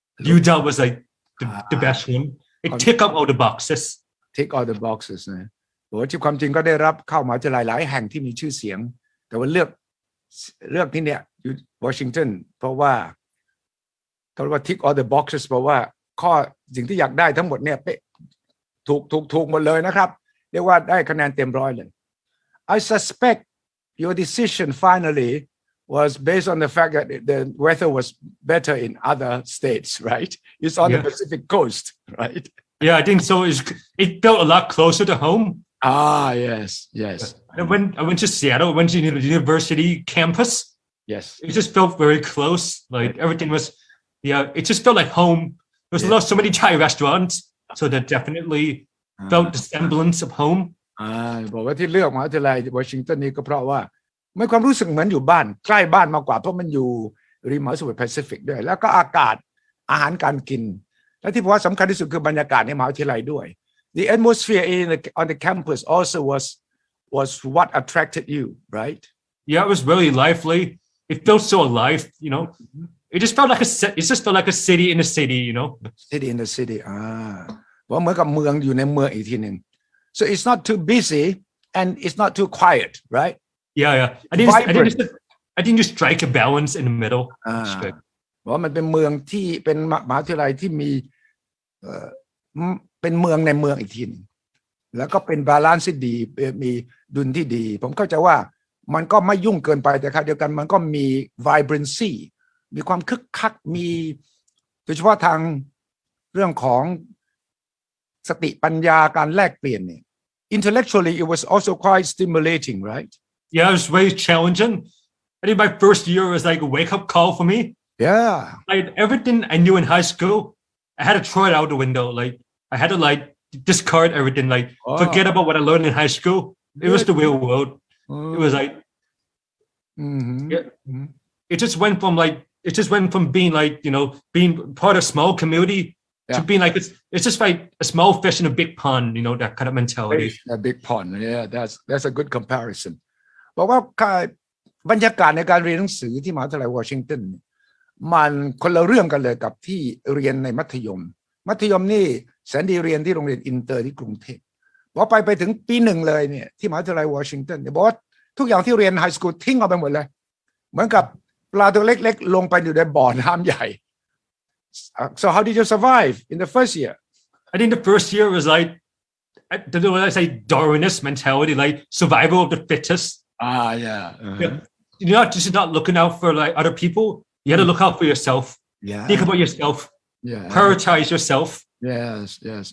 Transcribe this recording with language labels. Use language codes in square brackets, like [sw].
[en] UW was, like, the best one. It tick up all the boxes. Tick all the boxes, man. But what you come to, got to rub, come out to, like, I hang to me, too, see, there were look in there, Washington, for what? Talk about tick all the boxes, for what? Call, thing that you want, [th] ได้ทั้งหมดเนี่ย ถูกหมดเลยนะครับเรียกว่าได้คะแนนเต็มร้อยเลย [en] I suspect your decision finally was based on the fact that the weather was better in other states, right? It's on the Pacific coast, right? Yeah, I think so. It felt a lot closer to home. Ah, yes, yes. I went to Seattle. I went to the university campus. Yes. It just felt very close. Like everything was, yeah, it just felt like home. There was a lot, so many Thai restaurants. so that definitely felt the semblance of home. [th] บอกว่าที่เลือกมหาวิทยาลัยวอชิงตันนี่ก็เพราะว่าไม่ความรู้สึกเหมือนอยู่บ้านใกล้บ้านมากกว่าเพราะมันอยู่ริมมหาสมุทรแปซิฟิกด้วยแล้วก็อากาศอาหารการกินและที่ผมว่าสำคัญที่สุดคือบรรยากาศในมหาวิทยาลัยด้วย [en] The atmosphere in the, on the campus also was what attracted you, right? Yeah, it was really lively. It felt so alive, you know. It just felt like a city in a city, you know. City in the city. [th] ว่าเหมือนกับเมืองอยู่ในเมืองอีกทีนึง [en] So it's not too busy and it's not too quiet, right? Yeah. I didn't just strike a balance in the middle. [th] ว่ามันเป็นเมืองที่เป็นมหาวิทยาลัยที่มีเป็นเมืองในเมืองอีกทีนึงแล้วก็เป็นบาลานซ์ที่ดีมีดุลที่ดีผมเข้าใจว่ามันก็ไม่ยุ่งเกินไปแต่ครับเดียวกันมันก็มี vibrancy มีความคึกคักมีโดยเฉพาะทางเรื่องของสติปัญญาการแลกเปลี่ยนเนี่ย [en] intellectually it was also quite stimulating right yeah it was very challenging I think my first year was like a wake up call for me yeah like everything I knew in high school I had to throw it out the window like I had to like discard everything like forget about what I learned in high school it was the real world it was like it just went from being like you know being part of a small communityTo being like it's just like a small fish in a big pond, you know that kind of mentality. A big pond, yeah. That's a good comparison. But what kind [th] บรรยากาศในการเรียนหนังสือที่มหาวิทยาลัยวอชิงตันมันคนละเรื่องกันเลยกับที่เรียนในมัธยมมัธยมนี่แสนดีเรียนที่โรงเรียนอินเตอร์ที่กรุงเทพพอไปถึงปีหนึ่งเลยเนี่ยที่มหาวิทยาลัยวอชิงตันเนี่ยบอกว่าทุกอย่างที่เรียนไฮสคูลทิ้งเอาไปหมดเลยเหมือนกับปลาตัวเล็กๆลงไปอยู่ในบ่อน้ำใหญ่ [en] So how did you survive in the first year? I think the first year was like, I say Darwinist mentality, like survival of the fittest. You're not just not looking out for like other people. You had to look out for yourself. Yeah. Think about yourself. Yeah. Prioritize yourself. Yes, yes.